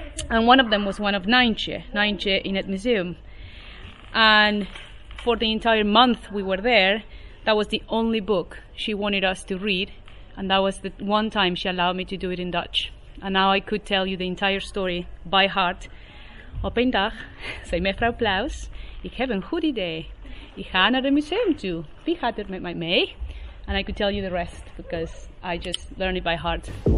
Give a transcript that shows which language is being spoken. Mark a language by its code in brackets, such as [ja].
[en] And one of them was one of Nainche in Het Museum. And for the entire month we were there, that was the only book she wanted us to read. And that was the one time she allowed me to do it in Dutch. And now I could tell you the entire story by heart. [nl] Op een dag, zei mevrouw Plaus, ik heb een goed idee. Ik ga naar het museum toe. Wie gaat er met mij mee? [en] And I could tell you the rest because I just learned it by heart.